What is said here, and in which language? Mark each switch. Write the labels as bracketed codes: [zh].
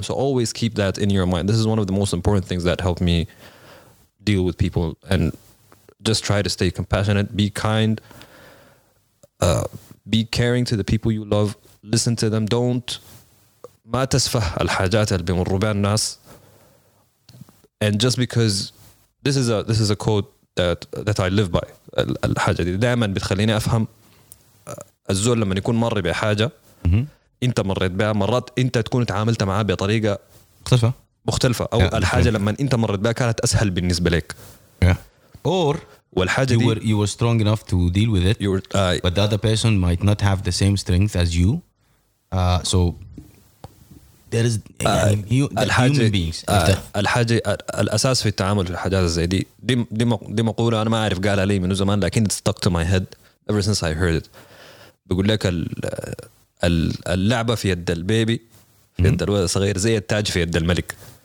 [en] So always keep that in your mind. This is one of the most important things that helped me deal with people, and just try to stay compassionate, be kind, be caring to the people you love, listen to them. [ar] Don't ما تسفه الحاجات اللي بيمروا بها الناس. [en] And just because this is a quote that I live by. [ar] الحاجة دي دائما بتخليني أفهم الزول لما يكون مر بحاجة أنت مريت بها, مرات أنت تكون تعاملت معها بطريقة مختلفة أو الحاجة لما أنت مريت بها كانت أسهل بالنسبة لك [en] or [ar] والحاجة [en] you were, you were strong enough to deal with it. But the other person might not have the same strength as you. So there is human beings. [ar] الحاجة الأساس في التعامل في الحاجات زي دي دي مقولة أنا ما أعرف قالها لي من زمان لكن [en] it stuck to my head ever since I heard it. [ar] بقول لك اللعبة في يد البيبي في يد الولد الصغير زي التاج في يد الملك.